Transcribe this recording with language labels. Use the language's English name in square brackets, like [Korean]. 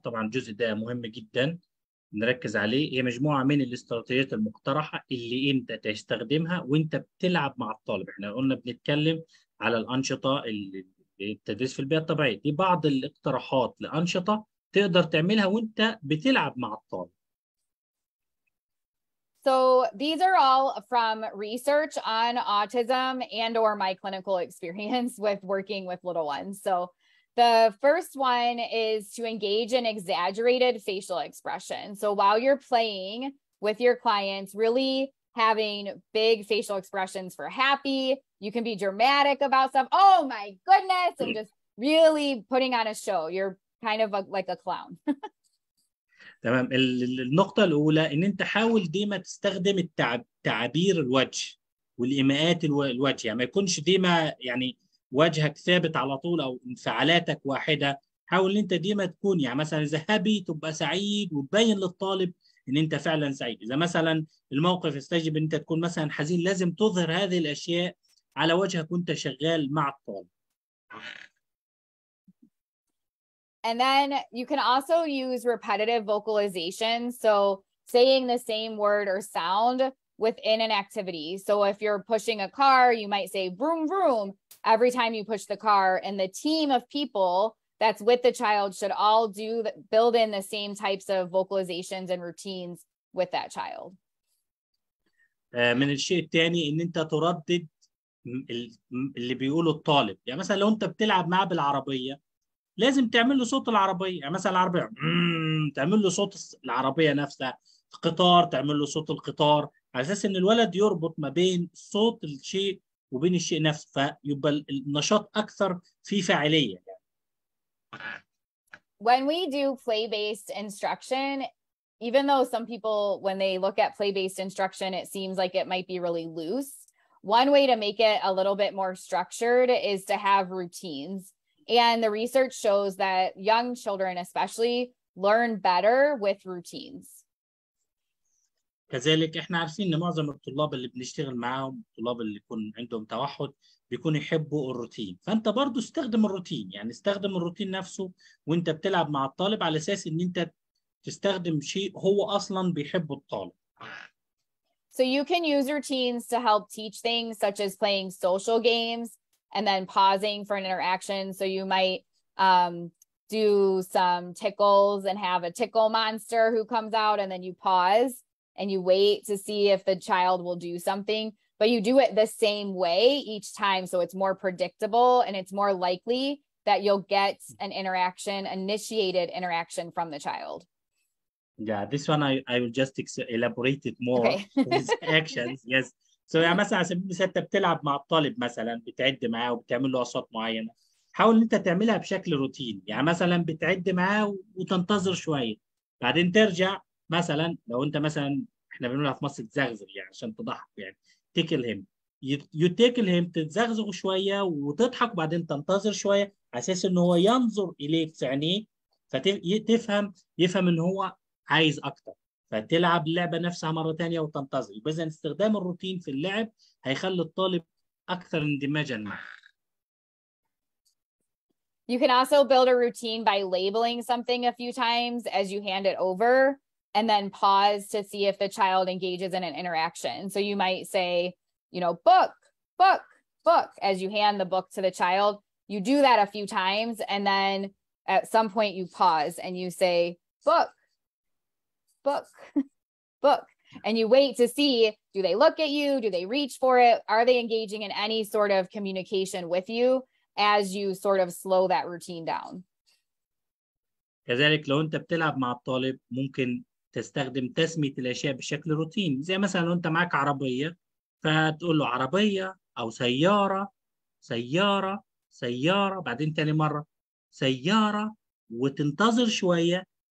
[Arabic] طبعا الجزء ده مهم جدا نركز عليه. هي مجموعة من الاستراتيجيات المقترحة اللي انت تستخدمها وانت بتلعب مع الطالب. احنا قلنا بنتكلم على الأنشطة اللي التدريس في البيئة الطبيعية، دي بعض الاقتراحات لأنشطة تقدر تعملها وانت بتلعب مع الطالب. [English] So these are all from research on autism and or my clinical experience with working with little ones. So the first one is to engage in exaggerated facial expression. So while you're playing with your clients, really having big facial expressions for happy, you can be dramatic about stuff. Oh my goodness. And just really putting on a show. You're kind of like a clown. [Arabic] تمام. النقطة الأولى إن أنت حاول ديما تستخدم تعابير الوجه والإيماءات الوجه، يعني ما يكونش ديما يعني وجهك ثابت على طول أو انفعالاتك واحدة. حاول إن أنت ديما تكون يعني مثلا إذا هابي تبقى سعيد وتبين للطالب إن أنت فعلا سعيد. إذا مثلا الموقف يستجيب إن أنت تكون مثلا حزين، لازم تظهر هذه الأشياء على وجهك وأنت شغال مع الطالب. [English] And then you can also use repetitive vocalization. So saying the same word or sound within an activity. So if you're pushing a car, you might say vroom, vroom every time you push the car, and the team of people that's with the child should all do build in the same types of vocalizations and routines with that child. [Arabic] من الشيء الثاني ان انت تردد اللي بيقوله الطالب. يعني مثلا لو انت بتلعب معاه بالعربيه لازم تعمل له صوت العربيه. يعني مثلا العربيه تعمل له صوت العربيه نفسها، قطار تعمل له صوت القطار، على اساس ان الولد يربط ما بين صوت الشيء وبين الشيء نفسه، فيبقى النشاط اكثر في فاعليه. [English] When we do play-based instruction, even though some people, when they look at play-based instruction, it seems like it might be really loose, one way to make it a little bit more structured is to have routines. And the research shows that young children especially learn better with routines. [Arabic] كذلك احنا عارفين ان معظم الطلاب اللي بنشتغل معاهم الطلاب اللي يكون عندهم توحد بيكون يحبوا الروتين، فانت برضو استخدم الروتين، يعني استخدم الروتين نفسه وانت بتلعب مع الطالب على اساس ان انت تستخدم شيء هو اصلا بيحبه الطالب. [English] So you can use routines to help teach things such as playing social games and then pausing for an interaction. So you might do some tickles and have a tickle monster who comes out, and then you pause and you wait to see if the child will do something. But you do it the same way each time, so it's more predictable and it's more likely that you'll get an interaction, initiated interaction from the child. Yeah, this one I will just elaborate it more. Okay. With actions, yes. So yeah, [Arabic] مثلا انت بتلعب مع الطالب مثلا بتعد معاه وبتعمل له اصوات معينه، حاول ان انت تعملها بشكل روتين. يعني مثلا بتعد معاه وتنتظر شويه بعدين ترجع، مثلا لو انت مثلا احنا بنقولها في مصر تزغزغ يعني عشان تضحك، يعني [English] tickle him, you tickle him, [Arabic] تتزغزغ شويه وتضحك بعدين تنتظر شويه على اساس ان هو ينظر اليك في عينيه فتفهم، يفهم ان هو عايز اكتر، فتلعب اللعبه نفسها مره ثانيه وتنتظر. يبقى اذا استخدام الروتين في اللعب هيخلي الطالب اكثر اندماجا معه. You can also build a routine by labeling something a few times as you hand it over and then pause to see if the child engages in an interaction. So you might say, you know, book, book, book, as you hand the book to the child. You do that a few times, and then at some point you pause and you say, book, book, book. And you wait to see, do they look at you? Do they reach for it? Are they engaging in any sort of communication with you as you sort of slow that routine down? كذلك لو انت بتلعب مع الطالب ممكن تستخدم تسمية الأشياء بشكل روتين، زي مثلا لو أنت معك عربية فتقول له عربية أو سيارة، سيارة، سيارة، بعدين تاني مرة سيارة، وتنتظر شوية،